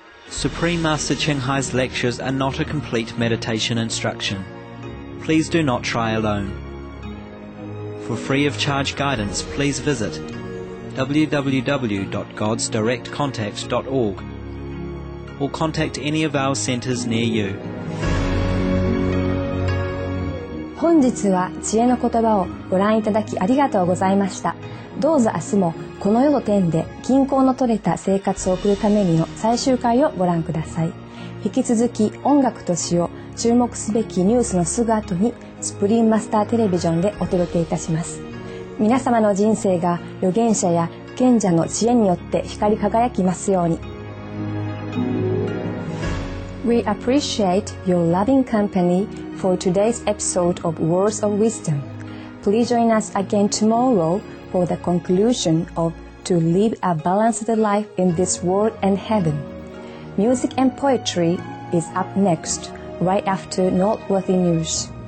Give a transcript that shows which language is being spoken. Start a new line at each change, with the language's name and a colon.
English: Supreme Master Ching Hai's lectures are not a complete meditation instruction. Please do not try alone. For free of charge guidance, please visit www.godsdirectcontact.org or contact any of our centers near you.
Japanese: 本日は知恵の言葉をご覧いただきありがとうございました。どうぞ明日もこの世の天で均衡の取れた生活を送るためにの最終回をご覧ください。引き続き音楽と詩を注目すべきニュースのすぐ後にスプリームマスターテレビジョンでお届けいたします。皆様の人生が預言者や賢者の知恵によって光り輝きますように。
English: We appreciate your loving company for today's episode of Words of Wisdom. Please join us again tomorrow for the conclusion ofTo live a balanced life in this world and heaven. Music and poetry is up next, right after noteworthy news.